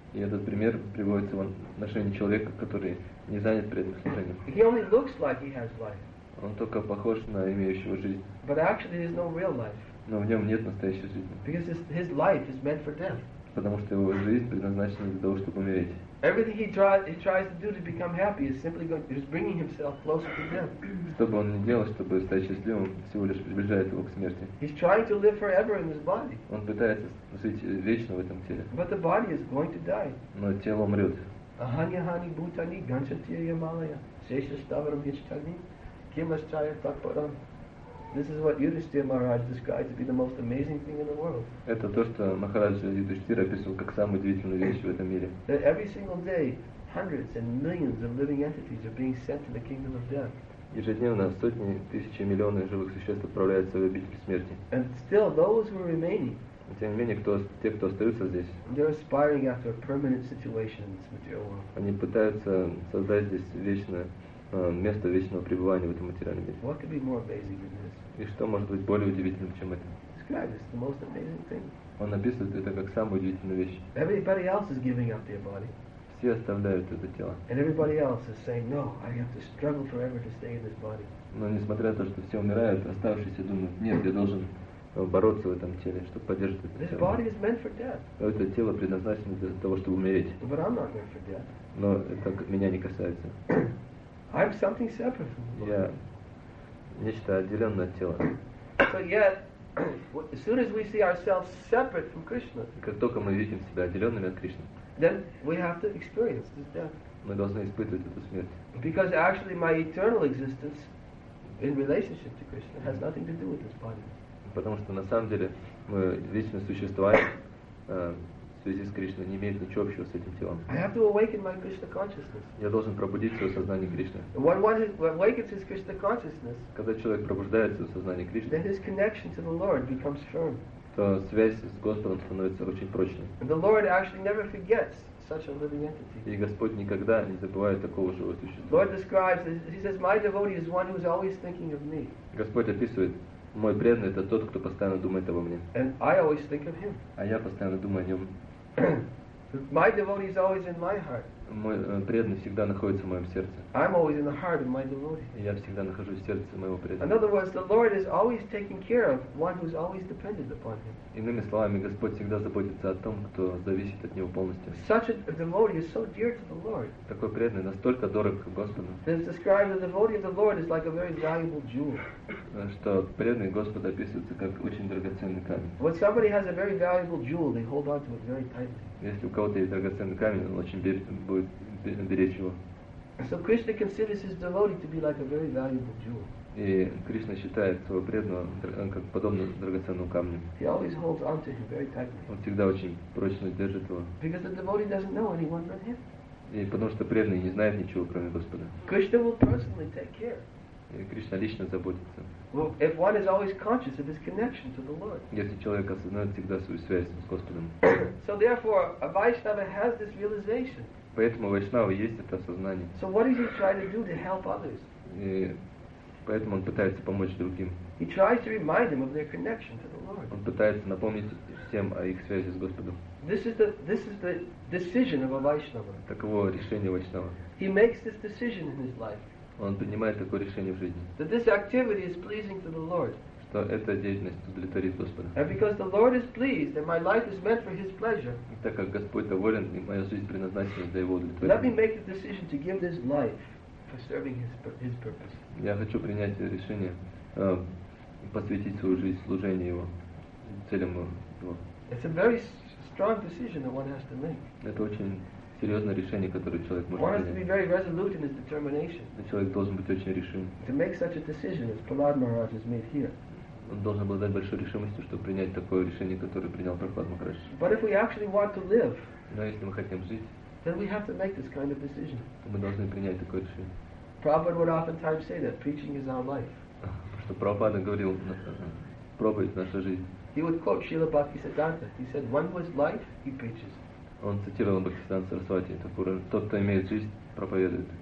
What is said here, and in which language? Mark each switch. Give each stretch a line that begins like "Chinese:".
Russian: И этот пример приводится в отношении человека, который не занят преданным служением.
English: He only looks like he has life.
Russian: Он только похож на имеющего жизнь.
English: But actually there's no real life.
Russian: Но в нем нет настоящей жизни.
English: Because his life is meant for death.
Russian: Потому что его жизнь предназначена для того, чтобы умереть.
English: Everything he tries to do to become happy is simply bringing himself closer to death.
Russian: Что бы он ни делал, чтобы стать счастливым, всего лишь приближает его к смерти.
English: He's trying to live forever in his body.
Russian: Он пытается жить вечно в этом теле.
English: But the body is going to die.
Russian: Но тело умрет.
Sanskrit: Аханья хани бутани ганчатия ямалая сейша ставаром ячтани кимасчая такпарам.
English: This is what Yudhishthira Maharaj described to be the most amazing thing in the world.
Russian: Это то, что Махараджа Юдхиштхира описывал как самую удивительную вещь в этом мире.
English: That every single day, hundreds and millions of living entities are being sent to the kingdom of death.
Russian: Ежедневно сотни, тысячи, миллионы живых существ отправляются в обитель смерти.
English: And still, those who are remaining.
Russian: Тем не менее, те, кто остаются здесь.
English: They're aspiring after a permanent situation in this material world.
Russian: Они пытаются создать здесь вечное. Место вечного пребывания в этом материальном мире.
English: What could be more amazing than this?
Russian: И что может быть более удивительным, чем это?
English: Describes the most amazing thing.
Russian: Он описывает это как самую удивительную вещь.
English: Everybody else is giving up their body.
Russian: Все оставляют это тело.
English: And everybody else is saying, no, I have to struggle forever to stay in this body.
Russian: Но несмотря на то, что все умирают, оставшиеся думают, нет, я должен бороться в этом теле, чтобы поддерживать это
English: this
Russian: тело.
English: Body is meant for death.
Russian: Это тело предназначено для того, чтобы умереть.
English: But I'm not meant for death.
Russian: Но это меня не касается.
English: I'm something separate from the body.
Russian: Я нечто отделенное от тела.
English: So yet, as soon as we see ourselves separate from Krishna,
Russian: как только мы видим себя отделенными от Кришны,
English: then we have to experience this death.
Russian: Мы должны испытывать эту смерть.
English: Because actually my eternal existence in relationship to Krishna has nothing to do with this body.
Russian: Потому что на самом деле мы вечно существуем в связи с Кришной, не имеет ничего общего с этим телом.
English: I have to awaken my Krishna consciousness.
Russian: Я должен пробудить свое сознание Кришны.
English: When awakens his Krishna consciousness,
Russian: когда человек пробуждается в сознании Кришны,
English: then his connection to the Lord becomes firm.
Russian: То связь с Господом становится очень прочной.
English: And the Lord actually never forgets such a living entity.
Russian: И Господь никогда не забывает такого живого существа.
English: Lord describes, he says, my devotee is one who is always thinking of me.
Russian: Господь описывает, мой преданный — это тот, кто постоянно думает обо мне.
English: And I always think of him.
Russian: А я постоянно думаю о нем.
English: My devotee is always in my heart.
Russian: Мой преданный всегда находится в моем сердце.
English: I'm always in the heart of my devotee.
Russian: Я всегда нахожусь в сердце моего преданного.
English: In other words, the Lord is always taking care of one who's always dependent upon him.
Russian: Иными словами, Господь всегда заботится о том, кто зависит от него полностью.
English: Such a devotee is so dear to the Lord.
Russian: Такой преданный настолько дорог Господу.
English: It's described that the devotee of the Lord is like a very valuable jewel.
Russian: Что преданный Господа описывается как очень драгоценный камень.
English: When somebody has a very valuable jewel, they hold on to it very tightly.
Russian: Если у кого-то есть драгоценный камень, он очень будет беречь его.
English: So Krishna considers his devotee to be like a very valuable jewel.
Russian: И Кришна считает своего преданного как подобным драгоценному камню.
English: He always holds on to him very tightly.
Russian: Он всегда очень прочно держит его.
English: Because the devotee doesn't know anyone but him.
Russian: И потому что преданный не знает ничего кроме Господа.
English: Krishna will personally take care.
Russian: И Кришна лично заботится.
English: Well, if one is always conscious of his connection to the Lord.
Russian: Если человек осознает всегда свою связь с Господом.
English: So therefore, a Vaishnava has this realization.
Russian: Поэтому у Вайшнава есть это осознание.
English: So what does he try to do to help others?
Russian: И поэтому он пытается помочь другим.
English: He tries to remind them of their connection to the Lord.
Russian: Он пытается напомнить всем о их связи с Господом.
English: This is the decision of a Vaishnava.
Russian: Таково решение Вайшнава.
English: He makes this decision in his life.
Russian: Он принимает такое решение в жизни.
English: That this activity is pleasing to the Lord.
Russian: Что эта деятельность удовлетворит Господа.
English: And because the Lord is pleased, then my life is meant for His pleasure.
Russian: И так как Господь доволен, и моя жизнь предназначена для Его удовлетворения.
English: Let me make the decision to give this life for serving His purpose.
Russian: Я хочу принять решение посвятить свою жизнь служению Его, целям Его.
English: It's a very strong decision that one has to make.
Russian: Это очень серьезное решение, которое человек может принять.
English: One has to be very resolute in his determination.
Russian: Человек должен быть очень решим.
English: To make such a decision as Prahlad Maharaj has made here.
Russian: Он должен обладать большой решимостью, чтобы принять такое решение, которое принял Прахлад Махарадж.
English: But if we actually want to live,
Russian: но если мы хотим жить,
English: then we have to make this kind of decision.
Russian: Мы должны принять такое решение.
English: Prabhupada would oftentimes say that preaching is our life.
Russian: Что Прабхупада говорил, проповедь — наша жизнь.
English: He would quote Srila Bhaktisiddhanta. He said, one was life, he preaches.
Russian: Он цитировал Бхактисиддханта Сарасвати Такура, тот, кто имеет жизнь, проповедует.